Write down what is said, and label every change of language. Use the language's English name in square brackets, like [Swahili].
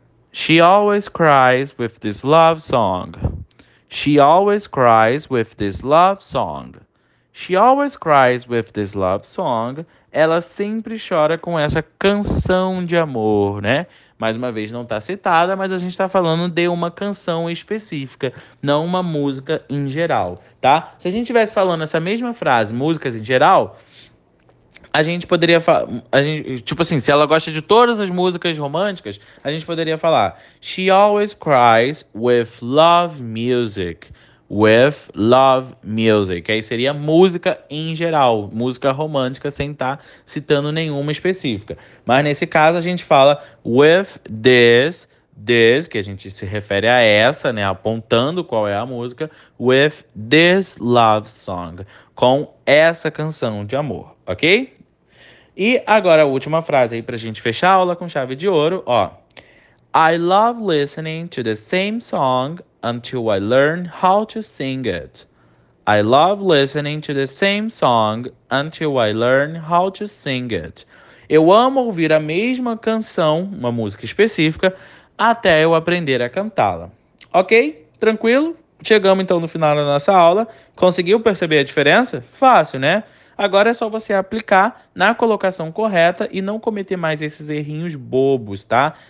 [English] She always cries with this love song. She always cries with this love song. She always cries with this love song. [Portuguese] Ela sempre chora com essa canção de amor, né? Mais uma vez não está citada, mas a gente está falando de uma canção específica, não uma música em geral, tá? Se a gente tivesse falando essa mesma frase, músicas em geral, a gente poderia falar, tipo assim, se ela gosta de todas as músicas românticas, a gente poderia falar: [English] She always cries with love music. With love music. [Portuguese] Aí seria música em geral, música romântica, sem estar citando nenhuma específica. Mas nesse caso a gente fala with this, que a gente se refere a essa, né? Apontando qual é a música, [English] with this love song, [Portuguese] com essa canção de amor, ok? E agora a última frase aí pra gente fechar a aula com chave de ouro, ó. [English] I love listening to the same song. Until I learn how to sing it. I love listening to the same song until I learn how to sing it. [Portuguese] Eu amo ouvir a mesma canção, uma música específica, até eu aprender a cantá-la. Ok? Tranquilo? Chegamos então no final da nossa aula. Conseguiu perceber a diferença? Fácil, né? Agora é só você aplicar na colocação correta e não cometer mais esses errinhos bobos, tá?